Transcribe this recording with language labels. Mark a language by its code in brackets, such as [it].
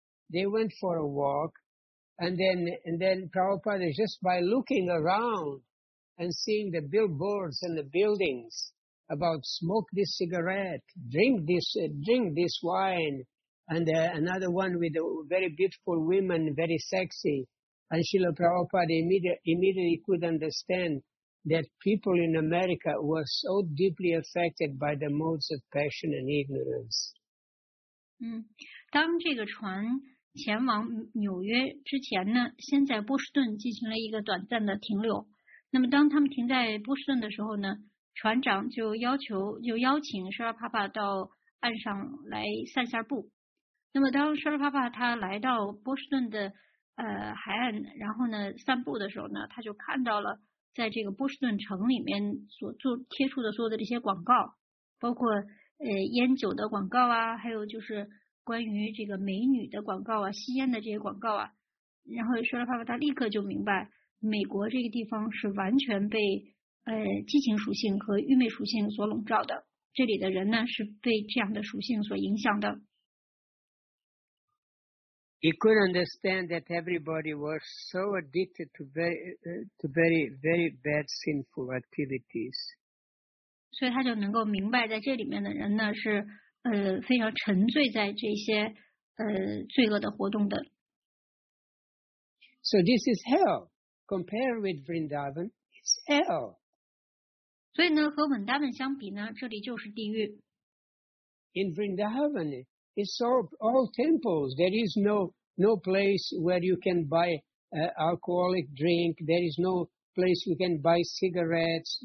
[en] They went for a walk. And then Prabhupada, just by looking around and seeing the billboards and the buildings about smoke this cigarette, drink this wine, and another one with a very beautiful woman, very sexy. And Srila Prabhupada immediately could understand that people in America were so deeply affected by the modes of passion and ignorance. [zh] 当这个船前往纽约之前呢，先在波士顿进行了一个短暂的停留。那么当他们停在波士顿的时候呢，船长就邀请舍尔帕帕到岸上来散下步。那么当舍尔帕帕他来到波士顿的海岸，然后呢散步的时候呢，他就看到了在这个波士顿城里面所贴出的这些广告，包括烟酒的广告啊，还有就是关于这个美女的广告啊，吸烟的这些广告啊，然后舍尔帕帕他立刻就明白，美国这个地方是完全被激情属性和愚昧属性所笼罩的，这里的人呢是被这样的属性所影响的。 [en] He could understand that everybody was so addicted to very bad sinful activities. [zh] 所以他就能够明白，在这里面的人呢是。非常沉醉在这些罪恶的活动的。 [en] So this is hell. Compared with Vrindavan, it's hell. [zh] 所以呢，和文达文相比呢，这里就是地狱。 [en] In Vrindavan, it's all temples. There is no place where you can buy alcoholic drink. There is no place you can buy cigarettes.